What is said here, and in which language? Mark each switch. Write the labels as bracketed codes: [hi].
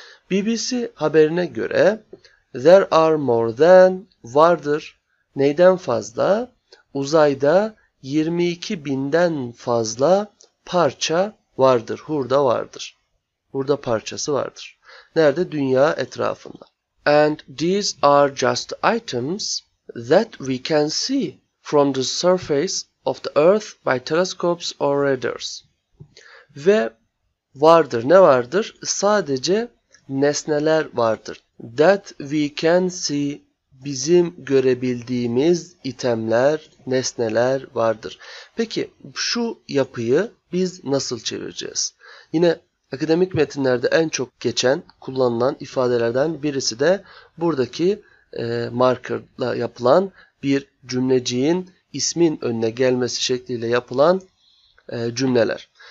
[tr] BBC haberine göre [en] there are more than, [tr] vardır, neyden fazla, uzayda 22 binden fazla parça vardır, hurda vardır. Hurda parçası vardır. Nerede? Dünya etrafında. [en] And these are just items that we can see from the surface of the earth by telescopes or radars. [tr] Ve vardır. Ne vardır? Sadece nesneler vardır. [en] That we can see, [tr] bizim görebildiğimiz itemler, nesneler vardır. Peki şu yapıyı biz nasıl çevireceğiz? Yine akademik metinlerde en çok geçen, kullanılan ifadelerden birisi de buradaki markerla yapılan bir cümleciğin ismin önüne gelmesi şekliyle yapılan cümleler.